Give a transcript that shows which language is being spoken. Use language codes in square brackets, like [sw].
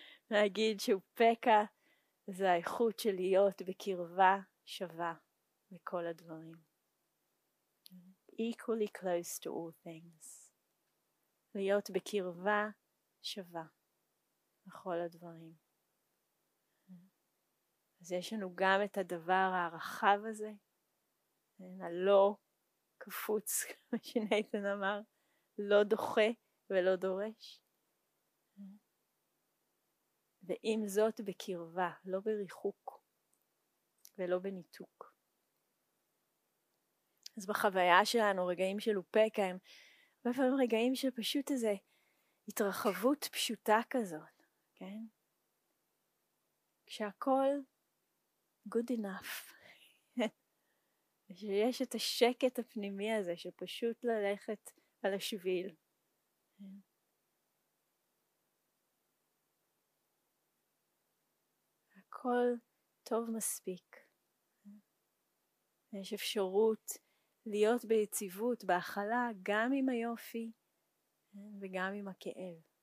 [he] להגיד שאופקה זה האיכות של להיות בקרבה שווה לכל הדברים. [en] Equally close to all things. [he] להיות בקרבה שווה לכל הדברים. אז יש לנו גם את הדבר הרחב הזה, הלא קפוץ, כמו שנייתן אמר, לא דוחה ולא דורש. ועם זאת בקרבה, לא בריחוק ולא בניתוק. אז בחוויה שלנו, רגעים של אופקה, הם לפעמים רגעים של פשוט איזה התרחבות פשוטה כזאת, כן? כשהכל [en] good enough. [he] ושיש את השקט הפנימי הזה של פשוט ללכת על השביל. הכל טוב מספיק. יש אפשרות להיות ביציבות, בהכלה, גם עם היופי וגם עם הכאב.